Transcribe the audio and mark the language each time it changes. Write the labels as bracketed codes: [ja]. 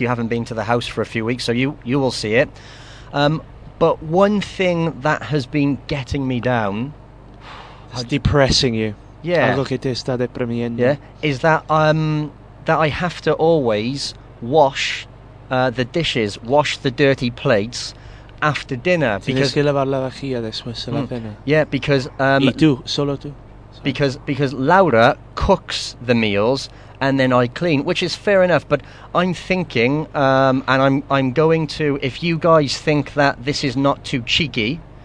[en] You haven't been to the house for a few weeks, so you will see it. But one thing that has been getting me down... How depressing you. Yeah. I look at this, [es] está deprimiendo. [en] Yeah, is that... that I have to always wash the dishes, wash the dirty plates after dinner. [es] Tienes que lavar la vajilla después de la cena. [en] Yeah, because... [es] Y tú, solo tú. [en] Because Laura cooks the meals and then I clean, which is fair enough, but I'm thinking, and I'm going to, if you guys think that this is not too cheeky...